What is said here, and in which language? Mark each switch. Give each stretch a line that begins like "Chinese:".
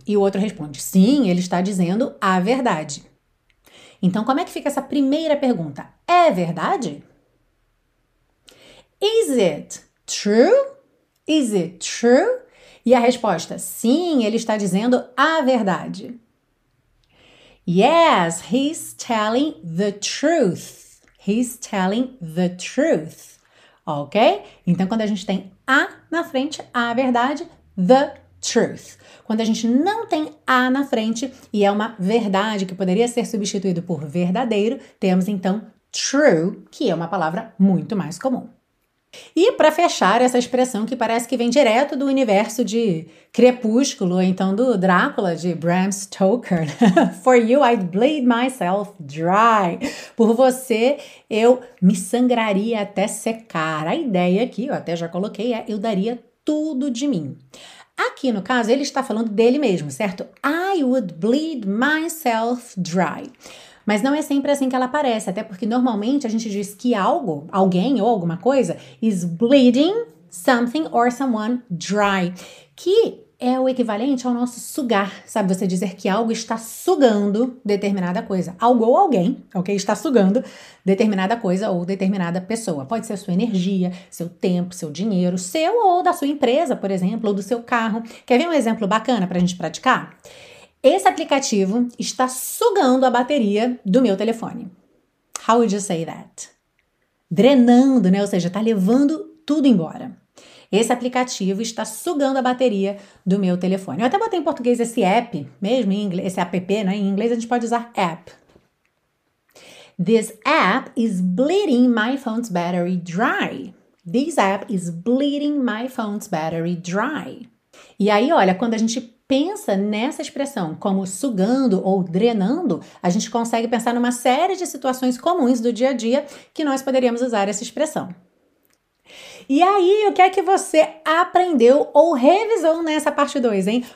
Portuguese: E o outro responde, sim, ele está dizendo a verdade. Então, como é que fica essa primeira pergunta? É verdade?
English: Is it true? Is it true?
Portuguese: E a resposta, sim, ele está dizendo a verdade.
English: Yes, he's telling the truth. He's telling the truth. Ok?
Portuguese: Então, quando a gente tem a na frente, a verdade, the truth. Quando a gente não tem a na frente e é uma verdade que poderia ser substituído por verdadeiro, temos então true, que é uma palavra muito mais comum. E para fechar essa expressão que parece que vem direto do universo de Crepúsculo, ou então do Drácula de Bram Stoker,
English: "For you I'd bleed myself dry".
Portuguese: Por você eu me sangraria até secar. A ideia aqui, eu até já coloquei, é eu daria tudo de mim. Aqui, no caso, ele está falando dele mesmo, certo?
English: I would bleed myself dry.
Portuguese: Mas não é sempre assim que ela aparece, até porque normalmente a gente diz que algo, alguém ou alguma coisa,
English: is bleeding something or someone dry,
Portuguese: que é o equivalente ao nosso sugar, sabe? Você dizer que algo está sugando determinada coisa. Algo ou alguém, ok? Está sugando determinada coisa ou determinada pessoa. Pode ser a sua energia, seu tempo, seu dinheiro, seu ou da sua empresa, por exemplo, ou do seu carro. Quer ver um exemplo bacana pra gente praticar? Esse aplicativo está sugando a bateria do meu telefone.
English: How would you say that?
Portuguese: Drenando, né? Ou seja, está levando tudo embora. Esse aplicativo está sugando a bateria do meu telefone. Eu até botei em português esse app, mesmo em inglês, esse app, né? Em inglês a gente pode usar app.
English: This app is bleeding my phone's battery dry. This app is bleeding my phone's battery dry.
Portuguese: E aí, olha, quando a gente pensa nessa expressão como sugando ou drenando, a gente consegue pensar numa série de situações comuns do dia a dia que nós poderíamos usar essa expressão. E aí, o que é que você aprendeu ou revisou nessa parte 2, hein?